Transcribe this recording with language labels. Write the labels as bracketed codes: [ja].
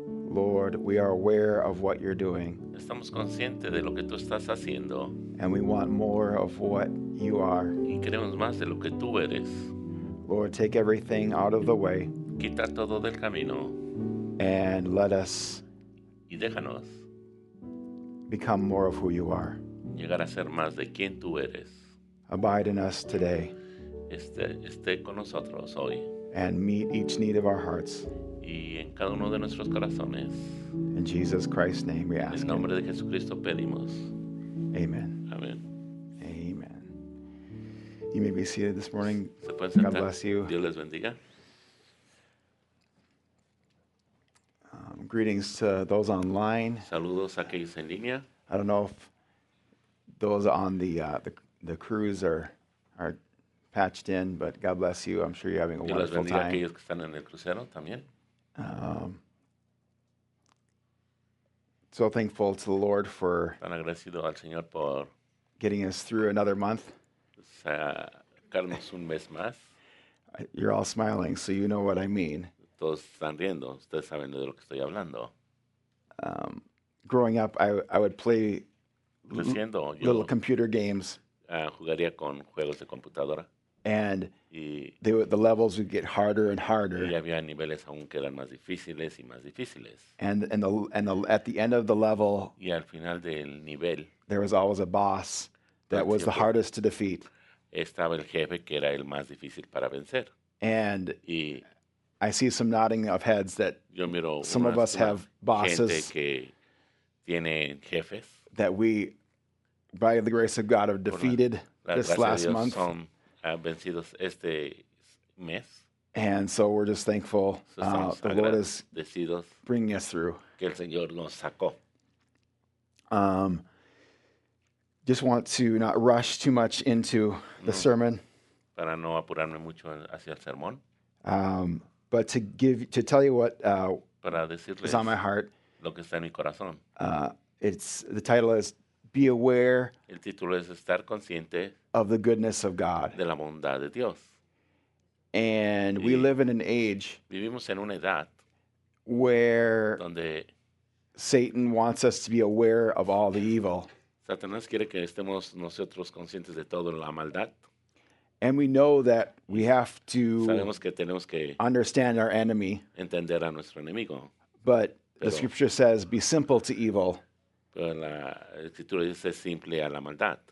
[en] Lord, we are aware of what you're doing. [es] Estamos conscientes de lo que tú estás haciendo. [en] And we want more of what you are. [es] Y queremos más de lo que tú eres. [en] Lord, take everything out of the way. [es] Quita todo del camino. [en] And let us [es] y déjanos [en] become more of who you are. [es] Llegar a ser más de quien tú eres. [en] Abide in us today. [es] Esté con nosotros hoy. [en] And meet each need of our hearts. [es] Y en cada uno de nuestros corazones. [en] In Jesus Christ's name we ask. [es] En nombre de Jesucristo pedimos. [en] Amen. [es] Amen. [en] Amen. You may be seated this morning. [es] Se pueden sentar. [en] God bless you. [es] Dios les bendiga. [en] Greetings to those online. [es] Saludos a aquellos en línea. [en] I don't know if those on the cruise are patched in, but God bless you. I'm sure you're having a [es] Dios [en] wonderful [es] bendiga [en] time. [es] A aquellos que están en el crucero también. [en] So thankful to the Lord for [es] tan agradecido al Señor por [en] getting us through another month. [es] Sacarnos un mes más. [en] You're all smiling, so you know what I mean. [es] Todos están riendo. Ustedes saben de lo que estoy hablando. [en] Growing up, I would play little computer games. [es] Jugaría con juegos de computadora. [en] And the levels would get harder and harder. [es] Y había niveles aún que eran más difíciles y más difíciles. [en] And at the end of the level, [es] y al final del nivel, [en] there was always a boss that was the hardest to defeat. [es] Estaba el jefe que era el más difícil para vencer. [en] And [es] y [en] I see some nodding of heads that some of us have bosses [es] que tiene jefes [en] that we, by the grace of God, have defeated this last month. [es] Son vencidos este mes. [en] And so we're just thankful the Lord is [es] decidos [en] bringing us through. [es] Que el Señor nos sacó. [en] Just want to not rush too much into the sermon. [es] Para no apurarme mucho hacia el sermón. [en] But to tell you what is on my heart, [es] lo que está en mi corazón. [en] The title is "Be Aware." [es] El título es estar consciente [en] of the goodness of God. [es] De la bondad de Dios. [en] And we live in an age [es] vivimos en una edad [en] where [es] donde [en] Satan wants us to be aware of all the evil. [es] Satanás quiere que estemos nosotros conscientes de toda la maldad. [en] And we know that we have to [es] sabemos que tenemos que [en] understand our enemy. [es] Entender a nuestro enemigo. [en] But the scripture says, be simple to evil. [es] Pero la escritura dice simple a la maldad.